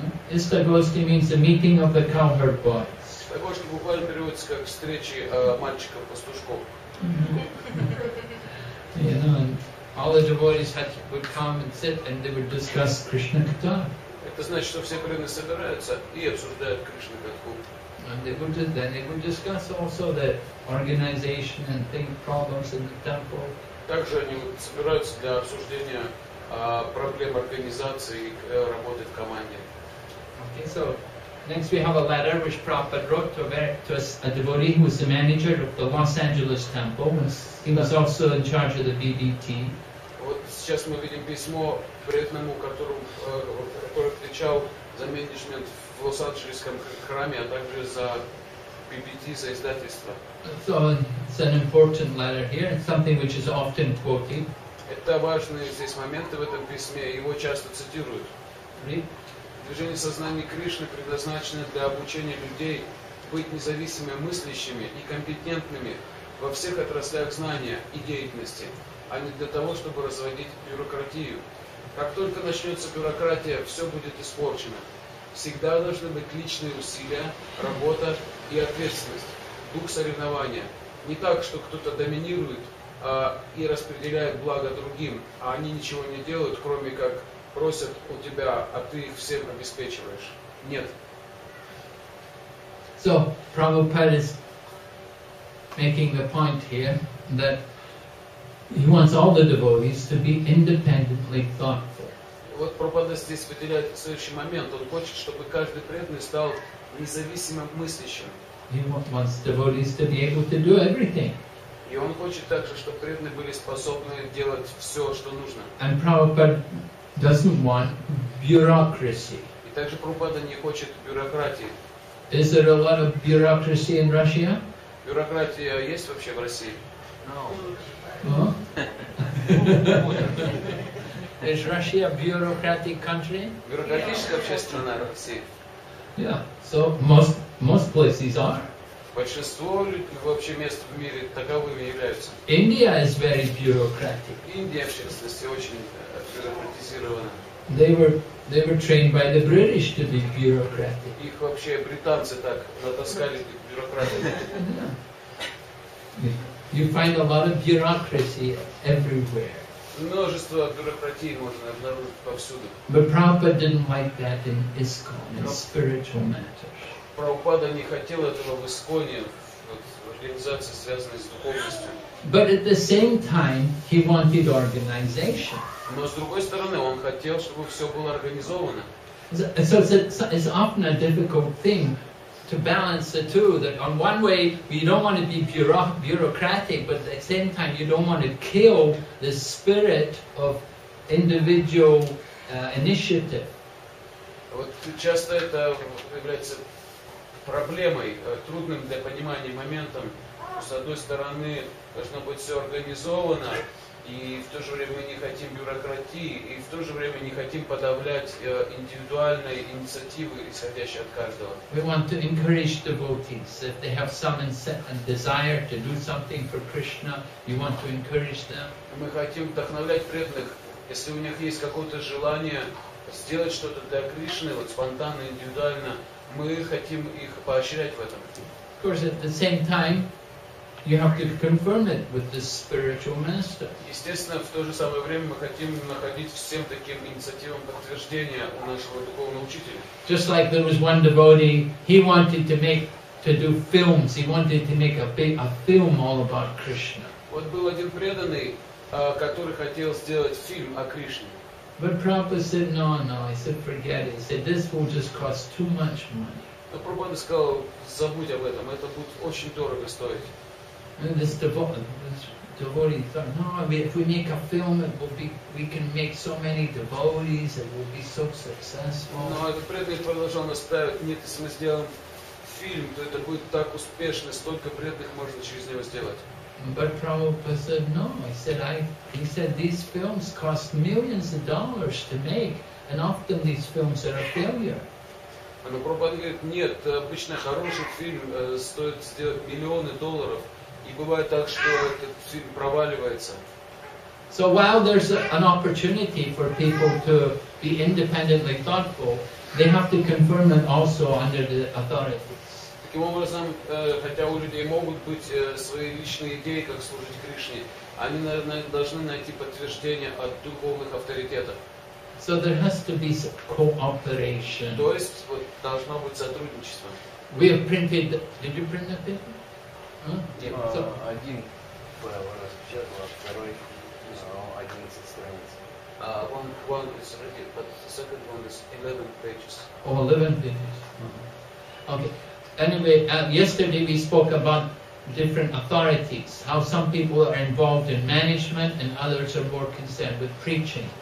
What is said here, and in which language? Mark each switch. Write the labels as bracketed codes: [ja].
[en] Ishtagosti means the meeting of the cowherd boys. [ru] Ishtagosti буквально переводится как встречи мальчиков-пастушков. [en] You know, and all the devotees had to come and sit and they would discuss Krishna Katha. [ru] Это значит, что все преданные собираются и обсуждают Кришна Катху. [en] And they would discuss also the organization and think problems in the temple. [ru] Также они собираются для обсуждения проблем организации и работы в команде. [en] Okay, so next we have a letter which Prabhupada wrote to a devotee who was the manager of the Los Angeles temple. He was also in charge of the BDT. [ru] Вот сейчас мы видим письмо преданному, который отвечал за менеджмент в Лос-Анджелесском храме, а также за BBT, за издательство. [en] So it's an important letter here, something which is often quoted. [ru] Это важные здесь моменты в этом письме, его часто цитируют. [en] Read. [ru] Движение сознания Кришны предназначено для обучения людей быть независимыми мыслящими и компетентными во всех отраслях знания и деятельности, а не для того, чтобы разводить бюрократию. Как только начнется бюрократия, все будет испорчено. Всегда должны быть личные усилия, работа и ответственность, дух соревнования. Не так, что кто-то доминирует и распределяет благо другим, а они ничего не делают, кроме как просят у тебя, а ты их всем обеспечиваешь. Нет. [en] So, Prabhupada is making the point here that he wants all the devotees to be independently thoughtful. [ru] Вот Прабхупада здесь выделяет следующий момент. Он хочет, чтобы каждый преданный стал независимым мыслящим. [en] He wants devotees to be able to do everything. [ru] И он хочет также, чтобы преданные были способны делать все, что нужно. [en] And Prabhupada doesn't want bureaucracy. [ru] И также Прабхупада не хочет бюрократии. [en] Is there a lot of bureaucracy in Russia? [ru] Бюрократия есть вообще в России? [en] No. Is Russia a bureaucratic country? [ru] Бюрократическая общественная Россия. [en] Yeah. So most places are. [ru] Большинство вообще мест в мире таковыми являются. [en] India is very bureaucratic. [ru] Индия, в частности, очень бюрократизирована. [en] They were trained by the British to be bureaucratic. [ru] Их вообще британцы так натаскали бюрократами. [en] You find a lot of bureaucracy everywhere. [ru] Множество бюрократии можно обнаружить повсюду. [en] But Prabhupada didn't like that in ISKCON, in spiritual matters. [ru] Прабхупада не хотел этого в ИСККОНе, в организации, связанной с духовностью. [en] But at the same time, he wanted organization. [ru] Но с другой стороны, он хотел, чтобы все было организовано. [en] So it's often a difficult thing to balance the two, that on one way you don't want to be bureaucratic, but at the same time you don't want to kill the spirit of individual initiative. [ru] Вот часто это является проблемой, трудным для понимания моментом. С одной стороны, должно быть все организовано, и в то же время мы не хотим бюрократии, и в то же время не хотим подавлять индивидуальные инициативы, исходящие от каждого. [en] We want to encourage devotees. If they have some desire to do something for Krishna, we want to encourage them. [ru] Мы хотим вдохновлять преданных, если у них есть какое-то желание сделать что-то для Кришны, вот спонтанно, индивидуально, мы хотим их поощрять в этом. [en] Of course, at the same time, you have to confirm it with the spiritual master. [ru] Естественно, в то же самое время мы хотим находить всем таким инициативам подтверждения у нашего духовного учителя. [en] Just like there was one devotee, he wanted to make to do films. He wanted to make a film all about Krishna. [ru] Вот был один преданный, который хотел сделать фильм о Кришне. [en] But Prabhupada said, no, no. He said, forget it. He said, this will just cost too much money. [ru] Но Прабхупада сказал, забудь об этом. Это будет очень дорого стоить. [en] And this devotee thought, no, if we make a film, it will be, we can make so many devotees, it will be so successful. [ru] Но этот преданный продолжал настаивать, нет, если мы сделаем фильм, то это будет так успешно, столько преданных можно через него сделать. [en] But Prabhupada said, no, he said, these films cost millions of dollars to make, and often these films are a failure. [ru] Но Прабхупада говорит, нет, обычно хороший фильм стоит сделать миллионы долларов, и бывает так, что этот фильм проваливается. [en] So while there's an opportunity for people to be independently thoughtful, they have to confirm it also under the authority. [ru] Таким образом, хотя у людей могут быть свои личные идеи, как служить Кришне, они, наверное, должны найти подтверждение от духовных авторитетов. [en] So there has to be some cooperation. [ru] То есть вот, должно быть сотрудничество. [en] We have printed. Did you print the paper? Huh? [ru] So, один правило распечатал, второй 11 страниц. [en] One is ready, but the second one is 11 pages. Oh, 11 pages. Uh-huh. Okay. Anyway, yesterday we spoke about different authorities, how some people are involved in management and others are more concerned with preaching.